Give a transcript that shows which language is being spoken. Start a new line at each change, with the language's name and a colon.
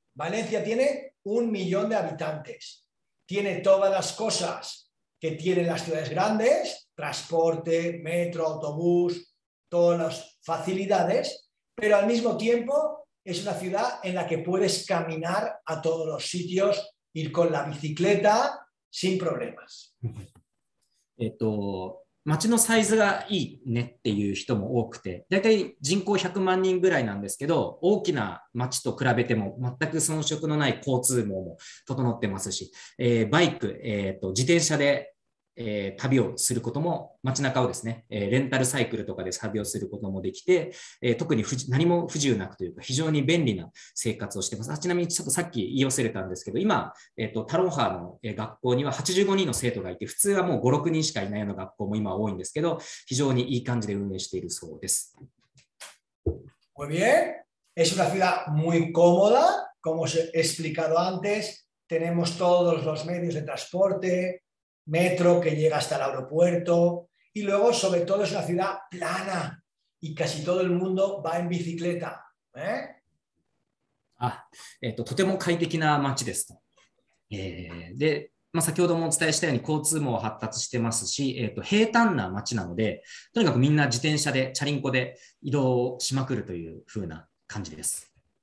Spanish: Valencia tiene 1 millón de habitantes, tiene todas las cosas que tienen las ciudades grandes, transporte, metro, autobús, todas las facilidades, pero al mismo tiempo es una ciudad en la que puedes caminar a todos los sitios, ir con la bicicleta,Sin problemas.
Japanese: 街のサイズがいいねっていう人も多くて、だいたい人口100万人ぐらいなんですけど、大きな街と比べても全く遜色のない交通網も整ってますし、バイク、自転車で、旅をすることも、街中をですね、レンタルサイクルとかで旅をすることもできて、特に何も不自由なくというか、非常に便利な生活をしてます。ちなみにちょっとさっき言い忘れたんですけど、今、タロンハの学校には85人の生徒がいて、普通はもう5、6人しかいないような学校も今多いんですけど、非常にいい感じで運営しているそうです。
Spanish: Muy bien. Es una ciudad muy cómoda, como os he explicado antes. Tenemos todos los medios de transporte, metro que llega hasta el aeropuerto. Y luego, sobre todo, es una ciudad plana y casi todo el mundo va en bicicleta. ¿Eh?
Japanese: とても快適な街ですと。で、まあ、先ほどもお伝えしたように交通も発達してますし、平坦な街なので、とにかくみんな自転車で、チャリンコで移動しまくるというふうな感じです。